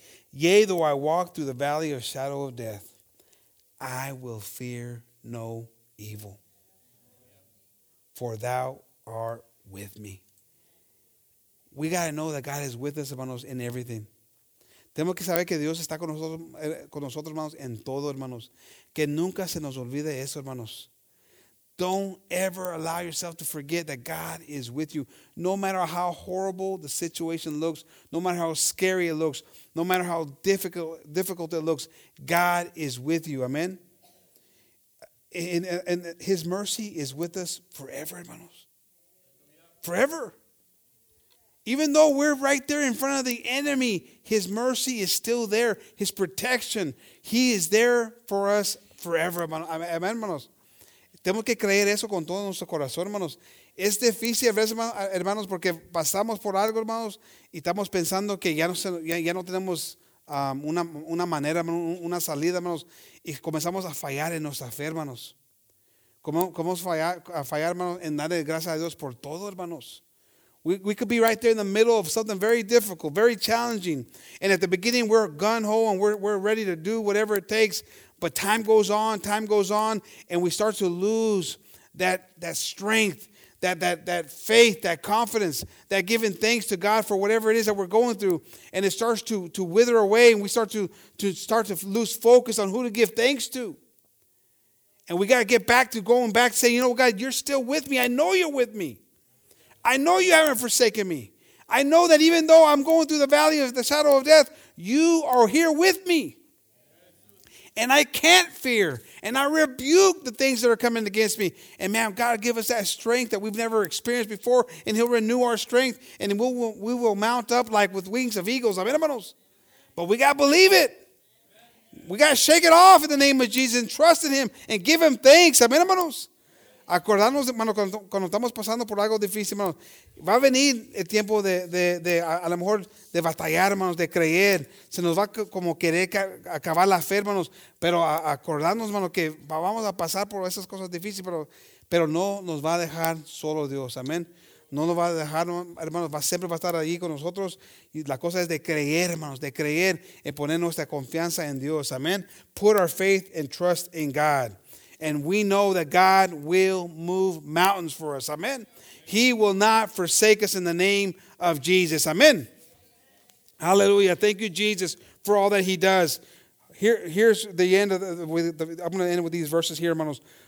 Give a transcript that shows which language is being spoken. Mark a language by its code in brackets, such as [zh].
[en] Yea, though I walk through the valley of shadow of death, I will fear no evil. For thou art with me. We got to know that God is with us, hermanos, in everything. [es] Tenemos que saber que Dios está con nosotros, hermanos, en todo, hermanos. Que nunca se nos olvide eso, hermanos. [en] Don't ever allow yourself to forget that God is with you. No matter how horrible the situation looks, no matter how scary it looks, no matter how difficult it looks, God is with you. Amen? And his mercy is with us forever, hermanos. Forever. Even though we're right there in front of the enemy, his mercy is still there. His protection, he is there for us forever, hermanos. [es] Tenemos que creer eso con todo nuestro corazón, hermanos. Es difícil a veces, hermanos, porque pasamos por algo, hermanos, y estamos pensando que ya no tenemos una manera, una salida, hermanos, y comenzamos a fallar en nuestra fe, hermanos. Comenzamos a fallar, hermanos, en darle gracias a Dios por todo, hermanos. [en] We could be right there in the middle of something very difficult, very challenging. And at the beginning, we're gung-ho and we're ready to do whatever it takes. But time goes on, and we start to lose that strength, that faith, that confidence, that giving thanks to God for whatever it is that we're going through. And it starts to wither away, and we start to lose focus on who to give thanks to. And we got to get back to going back and saying, you know, God, you're still with me. I know you're with me. I know you haven't forsaken me. I know that even though I'm going through the valley of the shadow of death, you are here with me. And I can't fear. And I rebuke the things that are coming against me. And man, God will give us that strength that we've never experienced before. And he'll renew our strength. And we will mount up like with wings of eagles. Amen, hermanos. But we got to believe it. We got to shake it off in the name of Jesus and trust in him and give him thanks. Amen, hermanos. [es] Acordarnos, hermanos, cuando estamos pasando por algo difícil, hermanos. Va a venir el tiempo de a lo mejor batallar, hermanos, de creer. Se nos va como querer acabar la fe, hermanos. Pero acordarnos, hermanos, que vamos a pasar por esas cosas difíciles, pero no nos va a dejar solo Dios. Amén. No nos va a dejar, hermanos, siempre va a estar ahí con nosotros. Y la cosa es de creer, hermanos, de creer y poner nuestra confianza en Dios. [en] Amén. Put our faith and trust in God. And we know that God will move mountains for us. Amen. He will not forsake us in the name of Jesus. Amen. Hallelujah. Thank you, Jesus, for all that he does. Here's the end of I'm going to end with these verses here, hermanos.